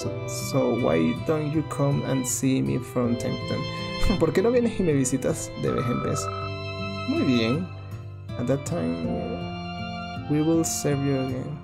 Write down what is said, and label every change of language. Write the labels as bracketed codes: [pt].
[en] So why don't you come and see me from time to time? [es] ¿Por qué no vienes y me visitas de vez en vez? Muy bien. [en] At that time we will serve you again.